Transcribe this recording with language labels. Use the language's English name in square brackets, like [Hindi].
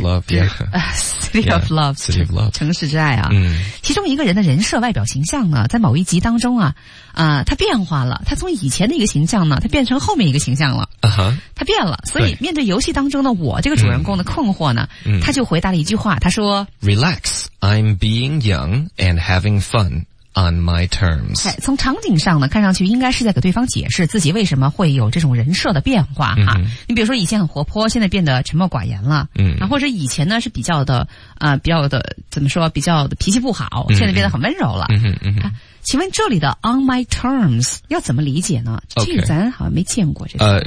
[English] City of Love， [Chinese] 城市之爱啊。其中一个人的人设外表形象呢，在某一集当中他变化了，他从以前的一个形象呢，他变成后面一个形象了。他变了，所以面对游戏当中的我这个主人公的困惑呢，他就回答了一句话，他说 [English] Relax, I'm being young and having fun on my terms。 [Chinese] 从场景上呢，看上去应该是在给对方解释自己为什么会有这种人设的变化哈。你比如说以前很活泼，现在变得沉默寡言了。或者以前呢是比较的比较的怎么说，比较的脾气不好，现在变得很温柔了。请问这里的 [English] on my terms [Chinese] 要怎么理解呢？这个咱好像没见过这个。